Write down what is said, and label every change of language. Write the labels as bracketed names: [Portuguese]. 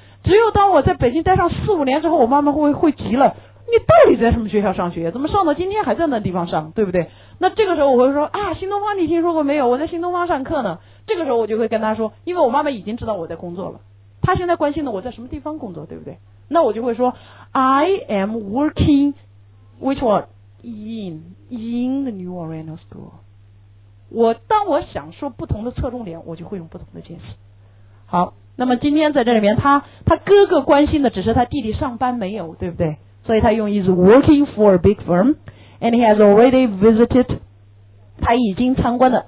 [Chinese] 只有当我在北京待上四五年之后，我妈妈会急了，你到底在什么学校上学，怎么上到今天还在那地方上，对不对？那这个时候我会说啊，新东方你听说过没有，我在新东方上课呢。这个时候我就会跟他说，因为我妈妈已经知道我在工作了，她现在关心的我在什么地方工作，对不对？那我就会说 [English] I am working which one in the New Oriental School。 [Chinese] 我当我想说不同的侧重点，我就会用不同的解释。好，那么今天在这里面他哥哥关心的只是他弟弟上班没有，对不对？所以他用 [English] is working for a big firm and he has already visited， [Chinese] 他已经参观了。